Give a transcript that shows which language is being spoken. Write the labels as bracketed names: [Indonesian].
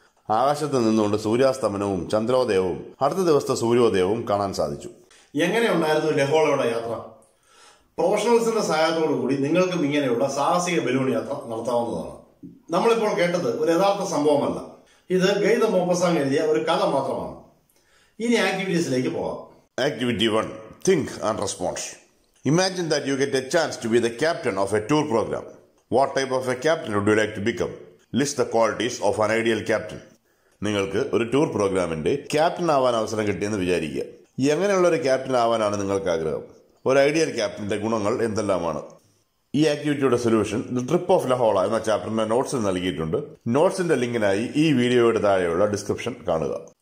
[Malayalam] ആകാശത്ത് നിന്നുകൊണ്ട് സൂര്യാസ്തമനവും ചന്ദ്രോദയവും അടുത്ത ദിവസത്തെ സൂര്യോദയവും കാണാൻ സാധിച്ചു. എങ്ങനെയുണ്ടായിരുന്നു ലഹോളയുടെ യാത്ര? പ്രൊഫഷണൽസിന്റെ സഹായത്തോടുകൂടി നിങ്ങൾക്കും ഇങ്ങനെയുള്ള സാഹസിക ബലൂൺ യാത്ര നടത്താവുന്നതാണ്. നമ്മളിപ്പോൾ കേട്ടത് ഒരു യഥാർത്ഥ സംഭവമല്ല, ഇത് ഗൈ ദ മോപസാങ് എഴുതിയ ഒരു കഥ മാത്രമാണ്. ഇനി ആക്ടിവിറ്റീസിലേക്ക് പോവാം. [English] Activity 1, think and response. Imagine that you get a chance to be the captain of a tour program. What type of a captain would you like to become? List the qualities of an ideal captain. [Malayalam] നിങ്ങൾക്ക് ഒരു tour പ്രോഗ്രാമിന്റെ captain ആവാൻ അവസരം കിട്ടിയെന്ന് വിചാരിക്കുക. എങ്ങനെയുള്ള ഒരു captain ആവാനാണ് നിങ്ങൾക്ക് ആഗ്രഹം? ഒരു ഐഡിയൽ ക്യാപ്റ്റന്റെ ഗുണങ്ങൾ എന്തെല്ലാമാണ്? ഈ ആക്ടിവിറ്റിയുടെ സൊല്യൂഷൻ ദി ട്രിപ്പ് ഓഫ് ലഹോള എന്ന ചാപ്റ്ററിന്റെ നോട്ട്സിൽ നൽകിയിട്ടുണ്ട്. നോട്ട്സിന്റെ ലിങ്കിനായി ഈ വീഡിയോയുടെ താഴെയുള്ള ഡിസ്ക്രിപ്ഷൻ കാണുക.